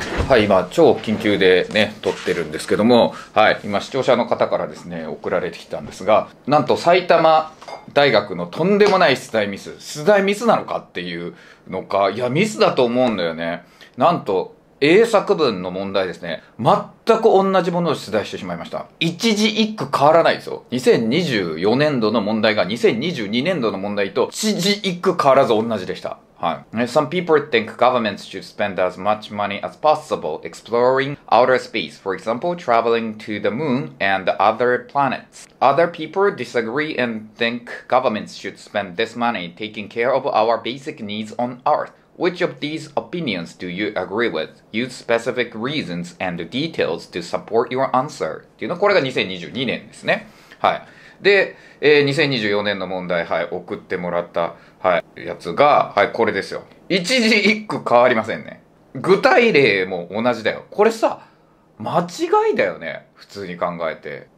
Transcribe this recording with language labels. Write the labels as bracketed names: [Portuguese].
[Japanese] はい、今超緊急でね撮ってるんですけども、はい、今視聴者の方からですね送られてきたんですが、なんと埼玉大学のとんでもない出題ミスなのかっていうのか、いやミスだと思うんだよね。なんと英作文の問題ですね、全く同じものを出題してしまいました。一字一句変わらないですよ。2024年度の問題が2022年度の問題と一字一句変わらず同じでした。 [English] はい、Some people think governments should spend as much money as possible exploring outer space, for example, traveling to the moon and other planets. Other people disagree and think governments should spend this money taking care of our basic needs on Earth. Which of these opinions do you agree with? Use specific reasons and details to support your answer. [Japanese] っていうのこれが2022年ですね。はい。で、2024年の問題、はい、送ってもらった、はい、やつが、はい、これですよ。一字一句変わりませんね。具体例も同じだよ。これさ、間違いだよね。普通に考えて。